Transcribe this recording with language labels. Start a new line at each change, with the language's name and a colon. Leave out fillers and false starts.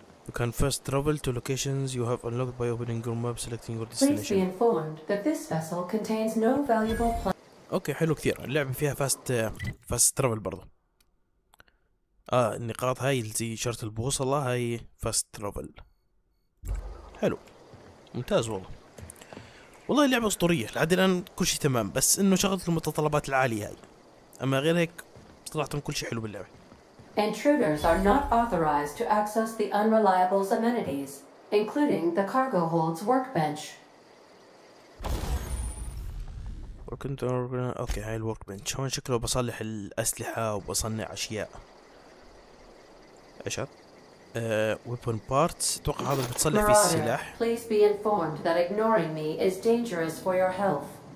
English: You can first travel to locations you have unlocked by opening your map, selecting your destination. Please be informed that this vessel contains no valuable plant.
Arabic: اوكي حلو كثير اللعبه فيها فاست ترافل برضو. النقاط هاي زي شرط البوصله، هاي فاست ترافل. حلو ممتاز والله. والله اللعبه اسطوريه لحد الان كل شيء تمام، بس انه شغلت المتطلبات العاليه هاي، اما غير هيك صراحه كل شيء حلو باللعبه.
English: Intruders are not authorized to access the unreliable's amenities, including the cargo hold's workbench.
Arabic: اوكي هاي الوركبنش هون شكله بصلح الاسلحه وبصنع اشياء. ايش هذا؟
English: weapon parts.
Arabic: اتوقع هذا بتصلح فيه السلاح.
English: Please be informed that ignoring me is dangerous for your health.